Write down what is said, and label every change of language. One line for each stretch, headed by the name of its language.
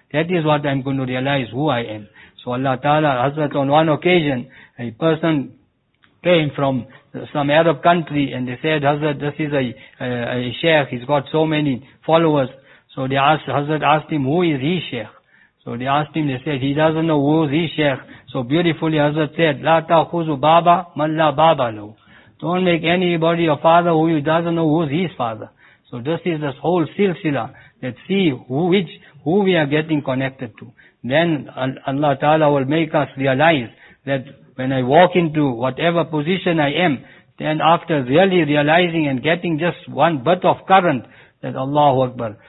English: That is what I'm going to realize who I am. So Allah Ta'ala, Hazrat, on one occasion, a person came from some Arab country and they said, Hazrat, this is a sheikh, he's got so many followers. So they asked, Hazrat asked him, who is he sheikh? So they asked him, they said, he doesn't know who is he sheikh.
Arabic: So beautifully Hazrat said, لا تأخذوا بابا من لا بابا له.
English: Don't make anybody a father who doesn't know who is his father. So this is this whole silsila. Let's see who we are getting connected to. Then Allah Ta'ala will make us realize that when I walk into whatever position I am, then after really realizing and getting just one bit of current, that Allahu Akbar.